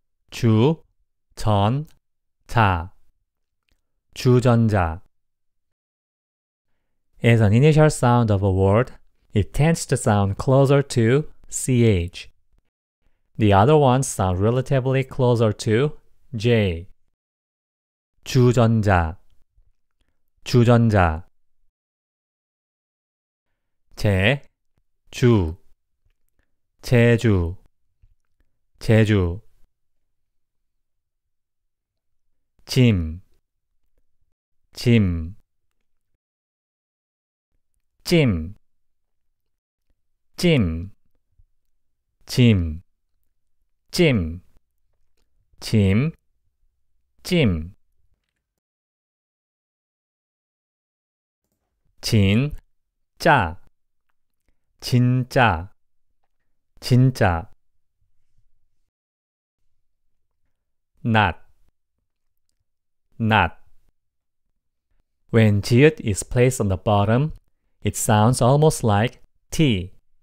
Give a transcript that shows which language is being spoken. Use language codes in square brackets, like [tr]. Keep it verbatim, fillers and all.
[ko] 주, 전, 자 주전자 [en] As an initial sound of a word, it tends to sound closer to ch. The other ones sound relatively closer to j. [ko] 주전자, 주전자 제, 주, 제주, 제주 짐, 짐, 찜, 찜, 짐, 찜, 짐, 찜, 진, 짜, 진짜, 진짜 낫 [en] Not. When 지읒 is placed on the bottom, it sounds almost like t.